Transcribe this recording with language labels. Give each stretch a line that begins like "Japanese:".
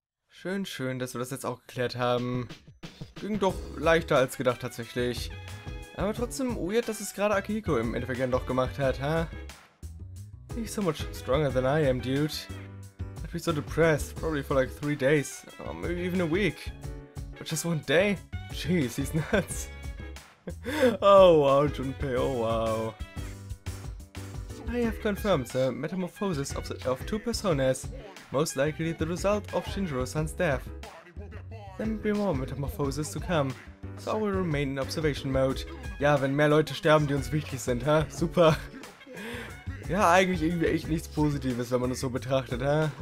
German: Schön, schön, dass wir das jetzt auch geklärt haben. Ging doch leichter als gedacht tatsächlich. Aber trotzdem weird, dass es gerade Akihiko im Endeffekt doch gemacht hat, ha? Huh?
English: He's so much stronger than I am, dude. I'd be so depressed, probably for like 3 days, or maybe even a week. But just one day? Jeez, he's nuts. Oh wow, Junpei, oh wow. I have confirmed the metamorphosis of two personas, most likely the result of Shinjiro-san's death. There will be more metamorphosis to come, so I will remain in observation mode.
German: Ja, wenn mehr Leute sterben, die uns wichtig sind, ha? Huh? Super. Ja, eigentlich irgendwie echt nichts Positives, wenn man es so betrachtet, hä?